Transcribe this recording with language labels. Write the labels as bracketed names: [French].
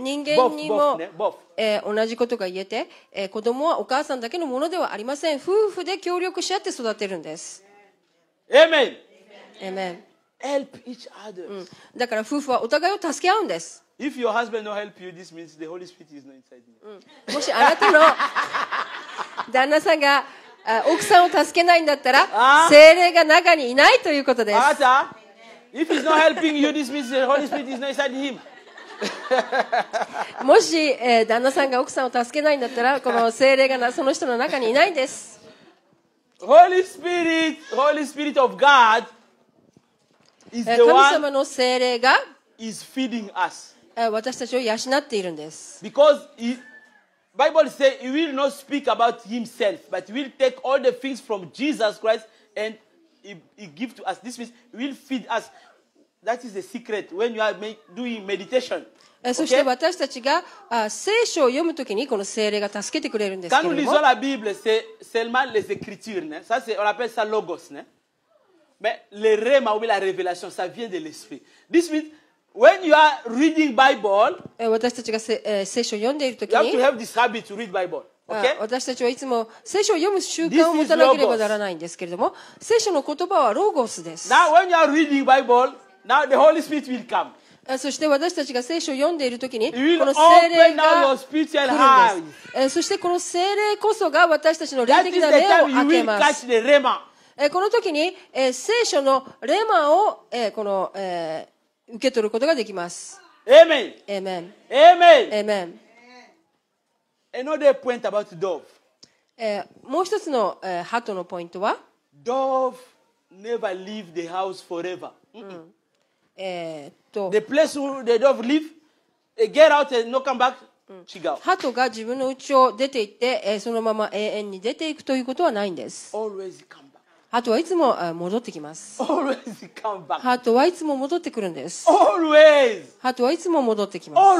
[Japanese] 人間にも同じことが言えて、子供はお母さんだけのものではありません。夫婦で協力し合って育てるんです。 [English] Amen. Amen. Help each other. [Japanese] だから夫婦はお互いを助け合うんです。 [English] If your husband don't help you, this means the Holy Spirit is not inside you. [Japanese] もしあなたの旦那さんが奥さんを助けないんだったら、聖霊が中にいないということです。 [English] あなた、If he's not helping you, this means the Holy Spirit is not inside him. [Japanese] もし旦那さんが奥さんを助けないんだったら、この聖霊がその人の中にいないんです。 [English] Holy Spirit of God is the one. [Japanese] 神様の聖霊が [English] is feeding us. [Japanese] 私たちを養っているんです。 [English] Because Bible says he will not speak about himself, but he will take all the things from Jesus Christ and he give to us. This means he will feed us. That is the secret when you are doing meditation. [Japanese] そして私たちが聖書を読むときにこの聖霊が助けてくれるんですけれども。 [French] Quand nous lisons la Bible, c'est seulement les écritures, ne? Ça c'est on appelle ça logos, ne? Mais le rhéma ou la révélation, ça vient de l'esprit. [English] This means when you are reading Bible, [Japanese] 私たちが聖書を読んでいるときに、 [English] you have to have this habit to read Bible. Okay? [Japanese] 私たちはいつも聖書を読む習慣を持たなければならないんですけれども、聖書の言葉はロゴスです。 [English] Now when you are reading Bible, now the Holy Spirit will come. [Japanese] そして私たちが聖書を読んでいるときにこの聖霊が来るんです。そしてこの聖霊こそが私たちの霊的な目を開けます。このときに聖書のレマをこの受け取ることができます。アーメン。アーメン。アーメン。アーメン。 [English] Another point about dove. [Japanese] もう一つの鳩のポイントは、 [English] dove never leave the house forever. The place where the dove live, they get out and not come back. She go. [Japanese] 鳩が自分の家を出て行って、そのまま永遠に出ていくということはないんです。 [English] Always come back. [Japanese] 鳩はいつも戻ってきます。 [English] Always come back. [Japanese] 鳩はいつも戻ってくるんです。 [English] Always. [Japanese] 鳩はいつも戻ってきます。